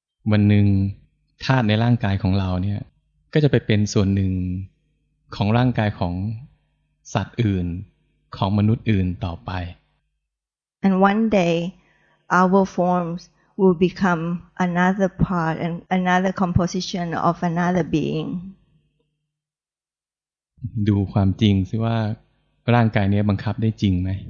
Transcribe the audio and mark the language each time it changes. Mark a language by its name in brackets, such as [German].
[Thai] วันหนึ่งธาตุในร่างกายของเราเนี่ยก็จะไปเป็นส่วนหนึ่งของร่างกายของสัตว์อื่นของมนุษย์อื่นต่อไป [English] And one day our formswill become another part and another composition of another being [Thai] ดูความจริงซิว่าร่างกายนี้บังคับได้จริงไหม